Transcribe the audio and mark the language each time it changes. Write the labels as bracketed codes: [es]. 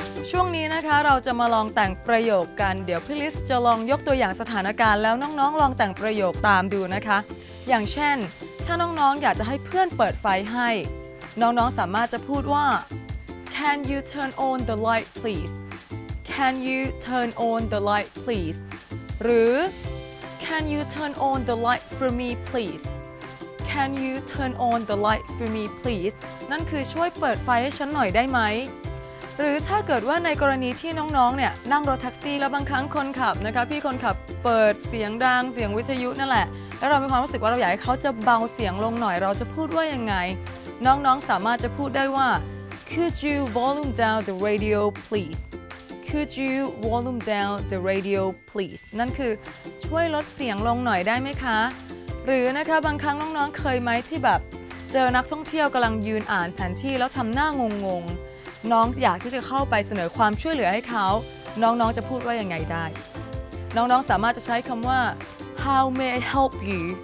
[th] ช่วงนี้นะคะเราจะมาลองแต่งประโยคกันเดี๋ยวพี่ลิสจะลองยกตัวอย่างสถานการณ์แล้วน้องๆลองแต่งประโยคตามดูนะคะอย่างเช่นถ้าน้องๆอยากจะให้เพื่อนเปิดไฟให้น้องๆสามารถจะพูดว่า [en] Can you turn on the light pleaseCan you turn on the light, please? หรือ Can you turn on the light for me, please? Can you turn on the light for me, please? [th] นั่นคือช่วยเปิดไฟให้ฉันหน่อยได้ไหมหรือถ้าเกิดว่าในกรณีที่น้องๆเนี่ยนั่งรถแท็กซี่แล้วบางครั้งคนขับนะคะพี่คนขับเปิดเสียงดังเสียงวิทยุนั่นแหละแล้วเรามีความรู้สึกว่าเราอยากให้เขาจะเบาเสียงลงหน่อยเราจะพูดว่ายังไงน้องๆสามารถจะพูดได้ว่า [en] Could you volume down the radio, please? Could you volume down the radio, please? [th] นั่นคือช่วยลดเสียงลงหน่อยได้ไหมคะหรือนะคะบางครั้งน้องๆเคยไหมที่แบบเจอนักท่องเที่ยวกำลังยืนอ่านแผนที่แล้วทำหน้างงๆน้องอยากที่จะเข้าไปเสนอความช่วยเหลือให้เขาน้องๆจะพูดว่ายังไงได้น้องๆสามารถจะใช้คำว่า [en] How may I help you?